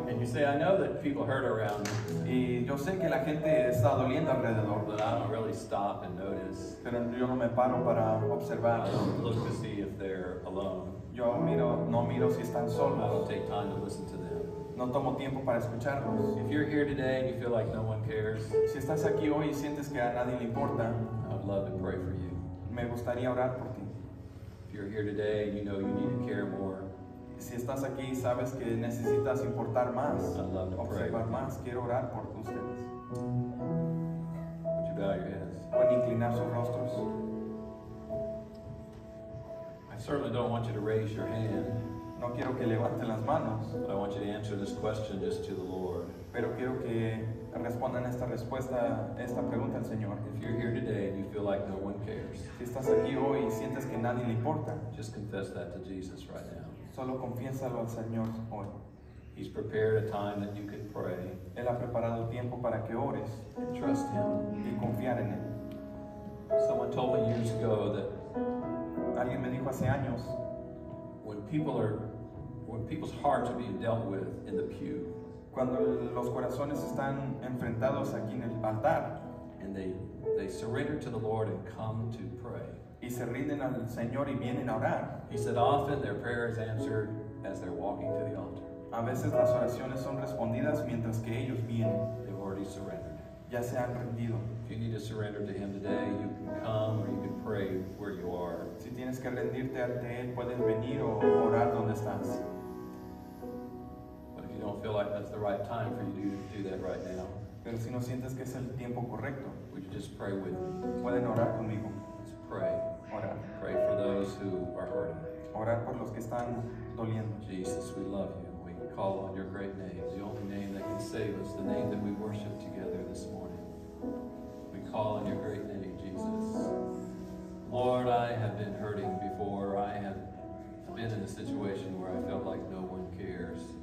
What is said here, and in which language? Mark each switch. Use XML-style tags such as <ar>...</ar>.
<en>And you say, I know that people hurt around me.</en> <es>Y yo sé que la gente está doliendo alrededor.</es> <en>But I don't really stop and notice.</en> <es>Pero yo no me paro para observar.</es> <en>I don't look to see if they're alone.</en> <es>Yo miro, no miro si están solos.</es> <en>I don't take time to listen to them.</en> <es>No tomo tiempo para escucharlos.</es> <en>If you're here today and you feel like no one cares,</en> <es>si estás aquí hoy y sientes que a nadie le importa,</es> <en>I'd love to pray for you.</en> <es>Me gustaría orar por ti.</es> <en>If you're here today and you know you need to care more,</en> <es>si estás aquí y sabes que necesitas importar más,</es> <en>I'd love to</en> <es>observar</es> <en>pray</en> <es>más, quiero orar por ustedes.</es> <en>Would you bow your heads?</en> <es>¿Pueden inclinar sus rostros?</es> <en>I certainly don't want you to raise your hand.</en> <es>No quiero que levanten las manos.</es> <en>But I want you to answer this question just to the Lord.</en> <es>Pero quiero que respondan esta respuesta, esta pregunta al Señor.</es> <en>If you're here today and you feel like no one cares,</en> <es>si estás aquí hoy y sientes que nadie le importa,</es> <en>just confess that to Jesus right now.</en> <es>Solo confiésalo al Señor hoy.</es> <en>He's prepared a time that you can pray.</en> <es>Él ha preparado tiempo para que ores.</es> <en>And trust him.</en> <es>Y confiar en él.</es> <en>Someone told me years ago that</en> <es>alguien me dijo hace años,</es> <en>when people's hearts are being dealt with in the pew,</en> <es>cuando los corazones están enfrentados aquí en el altar,</es> <en>and they surrender to the Lord and come to pray,</en> <es>y se rinden al Señor y vienen a orar,</es> <en>he said often their prayer is answered as they're walking to the altar.</en> <es>A veces las oraciones son respondidas mientras que ellos vienen.</es> <en>They've already surrendered.</en> <es>Ya se han rendido.</es> <en>If you need to surrender to him today, you can come or you can pray where you are.</en> <es>Si tienes que rendirte ante él, puedes venir o orar donde estás.</es> <en>But if you don't feel like that's the right time for you to do that right now,</en> <es>pero si no sientes que es el tiempo correcto,</es> <en>would you just pray with me?</en> <es>Pueden orar conmigo.</es> <en>Let's pray.</en> <es>Orar.</es> <en>Pray for those who are hurting.</en> <es>Orar por los que están doliendo.</es> <en>Jesus, we love you. We call on your great name, the only name that can save us, the name that we worship together this morning. Call on your great name, Jesus. Lord, I have been hurting before. I have been in a situation where I felt like no one cares.</en>